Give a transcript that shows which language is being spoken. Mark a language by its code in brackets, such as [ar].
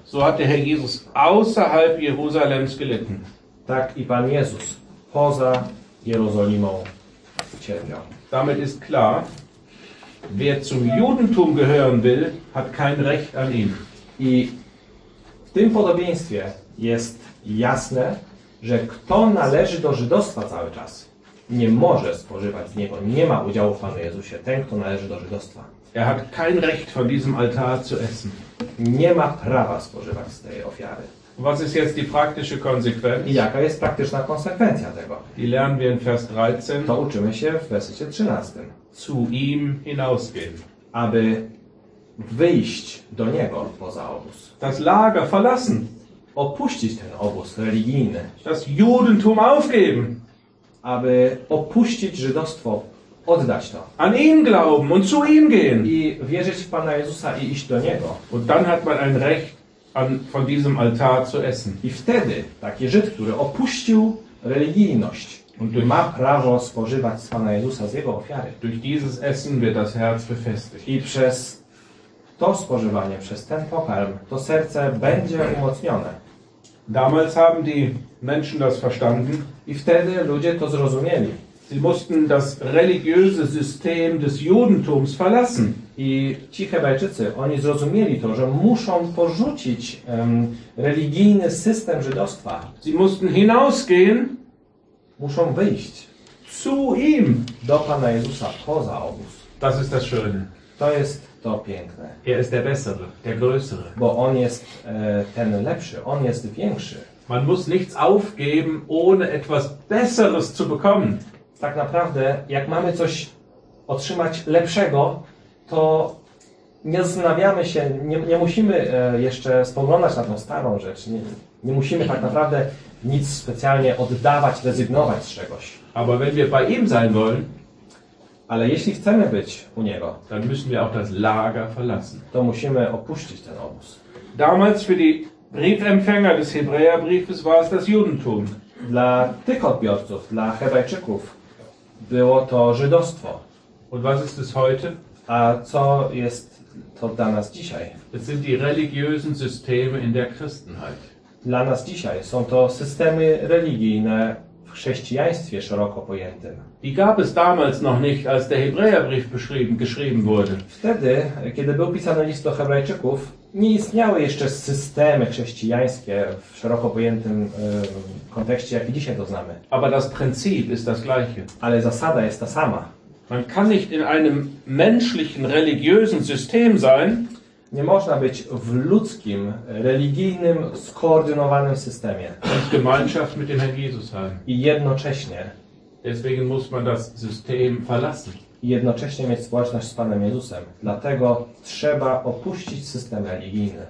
[de] So hat der Herr Jesus außerhalb Jerusalems gelitten. [pl] Tak i Pan Jezus poza Jerozolimą cierpiał. [de] Damit ist klar, wer zum Judentum gehören will, hat kein Recht an ihm. [pl] I w tym podobieństwie jest jasne, że kto należy do żydostwa cały czas, nie może spożywać z niego, nie ma udziału w Panu Jezusie, ten, kto należy do żydostwa. [de] Er hat kein Recht von diesem Altar zu essen. [pl] Nie ma prawa spożywać z tej ofiary. [de] Was ist jetzt die praktische Konsequenz? [pl] I jaka jest praktyczna konsekwencja tego? [de] Die lernen wir in Vers 13. [pl] To uczymy się w wersecie 13. [de] Zu ihm hinausgehen. [pl] Aby wyjść do niego poza obóz. [de] Das Lager verlassen. [pl] Opuścić ten obóz religijny. [de] Das Judentum aufgeben. [pl] Aby opuścić żydostwo, oddać to. [de] An ihn glauben und zu ihm gehen. [pl] I wierzyć w Pana Jezusa i iść do niego. [de] Und dann hat man ein Recht, von diesem Altar zu essen. [pl] I wtedy taki Żyd, który opuścił religijność. Und ma prawo spożywać z Pana Jezusa z Jego ofiary. [de] Durch dieses Essen wird das Herz befestigt. [pl] I przez to spożywanie, przez ten pokarm, to serce będzie umocnione. [de] Damals haben die Menschen das verstanden. [pl] I wtedy ludzie to zrozumieli. [de] Sie mussten das religiöse System des Judentums verlassen. [pl] I ci Hebrajczycy, oni zrozumieli to, że muszą porzucić religijny system żydostwa. [de] Sie mussten hinausgehen. [pl] Muszą wyjść. [de] Zu ihm. [pl] Do Pana Jezusa, poza obóz. [de] Das ist das Schöne. [pl] To jest to piękne. [de] Er ist der Bessere, der Größere. [pl] Bo on jest ten lepszy, on jest większy. [de] Man muss nichts aufgeben, ohne etwas Besseres zu bekommen. [pl] Tak naprawdę, jak mamy coś otrzymać lepszego, to nie zastanawiamy się, nie musimy jeszcze spoglądać na tą starą rzecz. Nie musimy tak naprawdę nic specjalnie oddawać, rezygnować z czegoś. [de] Aber wenn wir bei ihm sein wollen, [pl] ale jeśli chcemy być u niego, [de] dann müssen wir auch das Lager verlassen. [pl] To musimy opuścić ten obóz. [de] Damals für die Briefempfänger des Hebräerbriefes war es das Judentum. [pl] Dla tych odbiorców, dla Hebrajczyków, było to żydostwo. [de] Und was ist es heute? [pl] A co jest to dla nas dzisiaj? [de] Es sind die religiösen Systeme in der Christenheit. [pl] Dla nas dzisiaj są to systemy religijne w chrześcijaństwie szeroko pojętym. [de] Die gab es damals noch nicht, als der Hebräerbrief geschrieben wurde. [pl] Wtedy, kiedy był pisany list do Hebrajczyków, nie istniały jeszcze systemy chrześcijańskie w szeroko pojętym kontekście, jaki dzisiaj to znamy. [de] Aber das Prinzip ist das gleiche. [pl] Ale zasada jest ta sama. [de] Man kann nicht in einem menschlichen religiösen System sein. [pl] Nie można być w ludzkim, religijnym, skoordynowanym systemie. [de] Und Gemeinschaft mit dem Herrn Jesus haben. [pl] I jednocześnie. [de] Deswegen muss man das System verlassen. [pl] I jednocześnie mieć społeczność z Panem Jezusem. Dlatego trzeba opuścić system religijny.